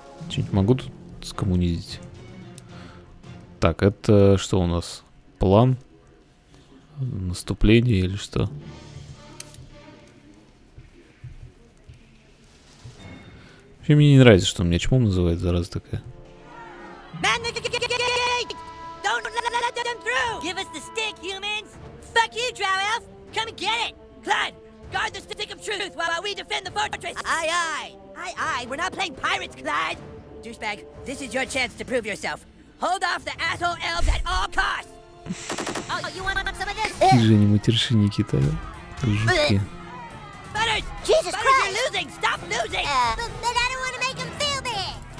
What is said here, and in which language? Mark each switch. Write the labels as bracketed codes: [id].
[ru] Что-нибудь могу тут скоммунизить? Так, это что у нас? План? Наступление или что? Вообще мне не нравится, что меня чмом называют, зараза такая. [en] Man, don't let them through! Give us the stick, humans! Fuck you, Drow Elf! Come and get it! Clyde, guard the stick of truth while we defend the fortress! Aye, aye! Aye, aye, we're not playing pirates, Clyde! Douchebag, this is your chance to prove yourself. Hold off the asshole elves at all costs! Oh, you want some of this? [ru] Какие же они матершинники-то, жуткие. [en] Butters! Jesus Christ! Butters, you're losing! Stop losing! But I don't want to make him feel bad!